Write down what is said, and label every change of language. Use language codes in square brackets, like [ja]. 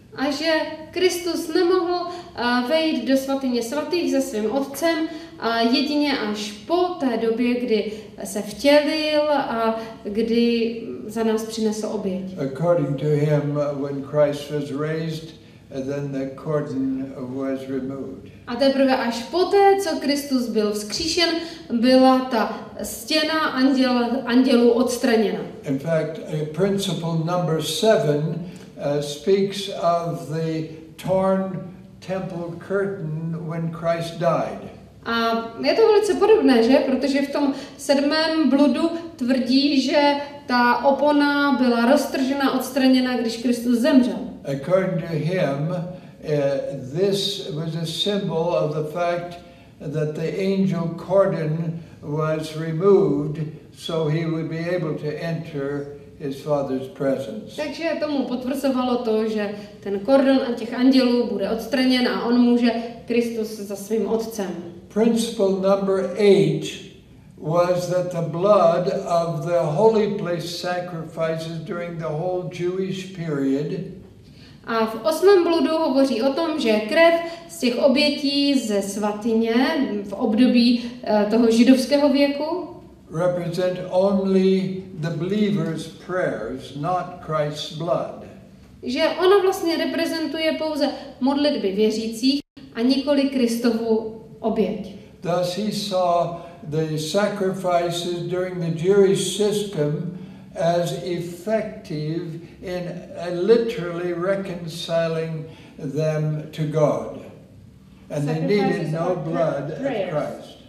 [cs] A že Kristus nemohl vejít do svatyně svatých se svým Otcem a jedině až po té době, kdy se vtělil a kdy za nás přinesl oběť. [en] According to him, when Christ was raised, then the curtain was removed. [cs] A teprve až poté, co Kristus byl vzkříšen, byla ta stěna andělů odstraněna. [en] In fact, principle number 7 speaks of the torn temple curtain when Christ died. [cs] A je to velice podobné, že? Protože v tom sedmém bludu tvrdí, že ta opona byla roztržena, odstraněna, když Kristus zemřel. [en] According to him, this was a symbol of the fact that the angel cordon was removed, so he would be able to enter his Father's presence. [cs] Takže tomu potvrzovalo to, že ten kordon a těch andělů bude odstraněn a on může Kristus za svým Otcem. [en] Principle number 8 was that the blood of the holy place sacrifices during the whole Jewish period. [cs] A v osmém bludu hovoří o tom, že krev z těch obětí ze svatyně v období toho židovského věku [en] represent only the believer's prayers, not Christ's blood. [cs] Že ona vlastně reprezentuje pouze modlitby věřících a nikoli Kristovu oběť. [en] Thus he saw the sacrifices during the Jewish system as effective in literally reconciling them to God. And they needed no blood prayers, of Christ.